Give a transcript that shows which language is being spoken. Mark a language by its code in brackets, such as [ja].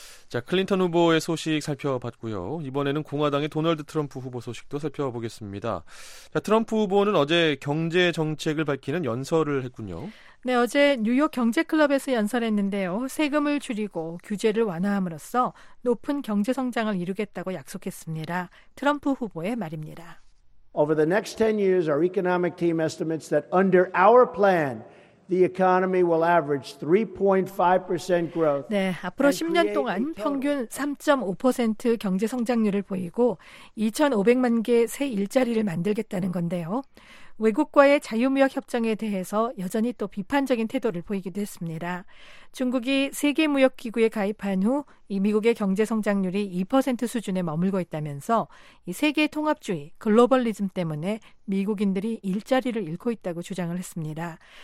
[ko] 자, 클린턴 후보의 소식 살펴봤고요. 이번에는 공화당의 도널드 트럼프 후보 소식도 살펴보겠습니다. 자, 트럼프 후보는 어제 경제 정책을 밝히는 연설을 했군요. 네, 어제 뉴욕 경제클럽에서 연설했는데요. 세금을 줄이고 규제를 완화함으로써 높은 경제성장을 이루겠다고 약속했습니다. 트럼프 후보의 말입니다. [en] Over the next 10 years, our economic team estimates that under our plan, the economy will average 3.5% growth. [ko] 네, 앞으로 10년 동안 평균 3.5% 경제성장률을 보이고 2,500만 개 새 일자리를 만들겠다는 건데요. 외국과의 자유무역 협정에 대해서 여전히 또 비판적인 태도를 보이기도 했습니다. 중국이 세계무역기구에 가입한 후 이 미국의 경제성장률이 2% 수준에 머물고 있다면서 이 세계통합주의, 글로벌리즘 때문에 미국인들이 일자리를 잃고 있다고 주장을 했습니다.